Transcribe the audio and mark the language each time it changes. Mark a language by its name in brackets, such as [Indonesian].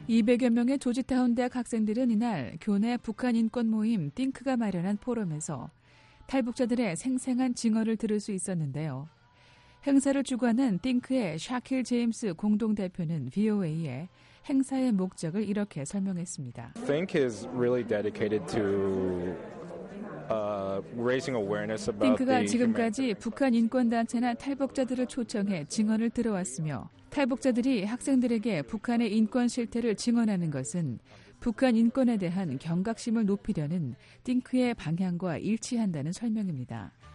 [Korean] 200여 명의 조지타운 대학 학생들은 이날 교내 북한 인권 모임 띵크가 마련한 포럼에서 탈북자들의 생생한 증언을 들을 수 있었는데요. 행사를 주관한 띵크의 샤킬 제임스 공동대표는 VOA에 행사의 목적을 이렇게 설명했습니다. [English] Think is really dedicated to raising awareness about [Korean] 띵크가 지금까지 북한 인권단체나 탈북자들을 초청해 증언을 들어왔으며 탈북자들이 학생들에게 북한의 인권 실태를 증언하는 것은 북한 인권에 대한 경각심을 높이려는 띵크의 방향과 일치한다는 설명입니다.